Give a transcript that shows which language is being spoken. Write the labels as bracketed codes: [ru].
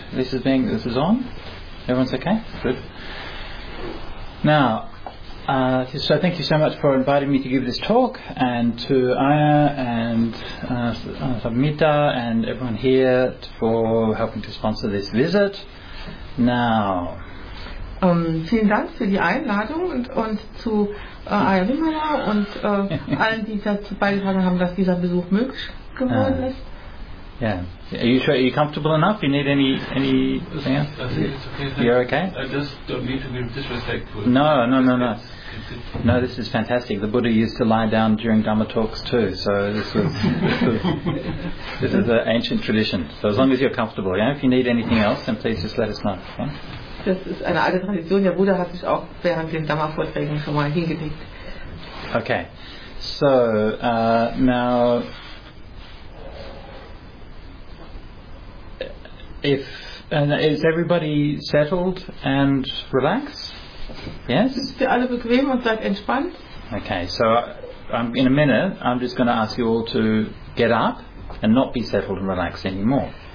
[en] This is on? Everyone's okay? Good. Now, so thank you so much for inviting me to give this talk, and to Aya and Samita and everyone here for helping to sponsor this visit. Now, [de] vielen Dank für die Einladung und zu Aya Wimmera und allen, die dazu beigetragen haben, dass dieser Besuch möglich geworden ist. [en] Yeah. Are you sure? Are you comfortable enough? You need any thing? I think it's okay. You're okay? I just don't mean to be disrespectful. No. No, this is fantastic. The Buddha used to lie down during Dhamma talks too, so this is an ancient tradition. So as long as you're comfortable, yeah? If you need anything else, then please just let us know. Yeah? [de] Das ist eine alte Tradition. Der Buddha hat sich auch während den Dhamma-Vorträgen schon mal hingelegt. [en] Okay. So, now, if is everybody settled and relaxed? Yes? [de] Sind ihr alle bequem und seid entspannt? [en] Okay, so in a minute, I'm just going to ask you all to get up and not be settled and relaxed anymore.